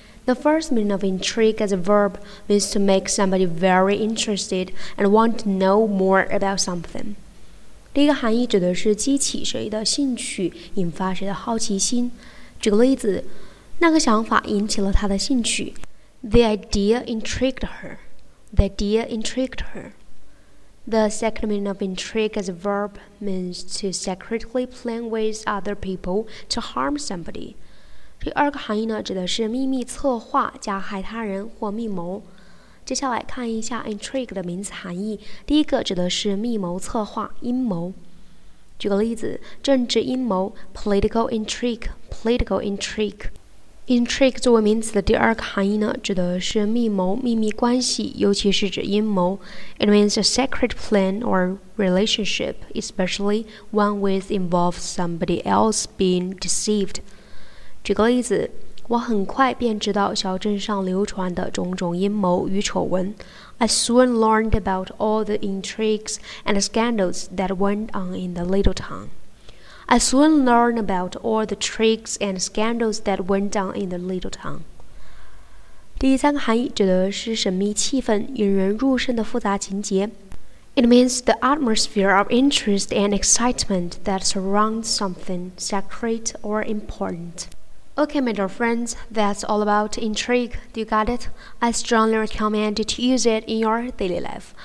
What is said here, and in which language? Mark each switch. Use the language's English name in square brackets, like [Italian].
[English] The first meaning of intrigue as a verb means to make somebody very interested and want to know more about something. [Chinese] 第一个含义指的是激起谁的兴趣，引发谁的好奇心。举个例子，那个想法引起了他的兴趣。 [English] The idea intrigued her. The idea intrigued her. The second meaning of intrigue as a verb means to secretly plan with other people to harm somebody. [Chinese] 第二个含义呢，指的是秘密策划加害他人或密谋。接下来看一下 intrigue 的名词含义。第一个指的是密谋策划、阴谋。举个例子，政治阴谋 ,political intrigue, political intrigue。 Intrigue 作为名词的第二个含义呢，指的是密谋、秘密关系，尤其是指阴谋。 [English] It means a secret plan or relationship, especially one which involves somebody else being deceived. [Chinese] 举个例子，我很快便知道小镇上流传的种种阴谋与丑闻。 [English] I soon learned about all the intrigues and scandals that went on in the little town. I soon learned about all the tricks and scandals that went down in the little town. [Chinese] 第三个含义指的是神秘气氛，引人入胜的复杂情节。 [English] It means the atmosphere of interest and excitement that surrounds something sacred or important. Okay, my dear friends, that's all about intrigue. Do you got it? I strongly recommend you to use it in your daily life.